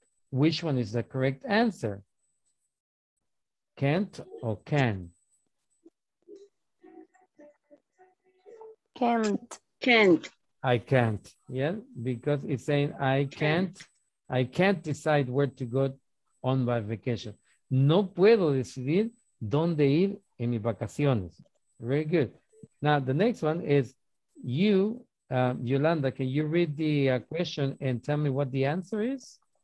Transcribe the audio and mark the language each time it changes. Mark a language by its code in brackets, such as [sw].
[en] Which one is the correct answer? Can't or can? Can't. I can't. Yeah, because it's saying I can't decide where to go on my vacation. [es] No puedo decidir dónde ir en mis vacaciones. [en] Very good. Now, the next one is you, Yolanda, can you read the question and tell me what the answer is?